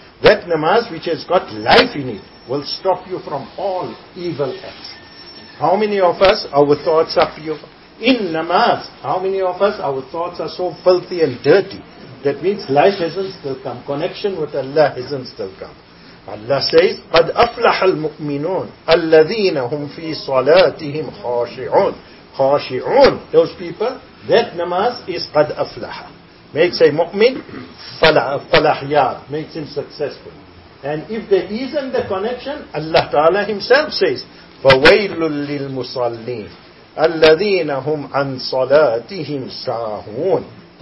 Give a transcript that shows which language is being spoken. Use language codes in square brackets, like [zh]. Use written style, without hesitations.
[en] That namaz which has got life in it will stop you from all evil acts. How many of us, our thoughts are pure? In namaz, how many of us, our thoughts are so filthy and dirty? That means life hasn't still come. Connection with Allah hasn't still come. Allah says, [ar] قَدْ أَفْلَحَ الْمُؤْمِنُونَ الَّذِينَ هُمْ فِي صَلَاتِهِمْ خَاشِعُونَ خَاشِعُونَ. [en] Those people, that namaz is [ar] قَدْ أَفْلَحَ. [en] Makes a mu'min falahyab, makes him successful. And if there isn't the connection, Allah Ta'ala Himself says, [ar] فَوَيْلٌ لِلْمُصَلِّينَ الَّذِينَ هُمْ عَنْ صَلَاتِهِمْ سَاهُونَ.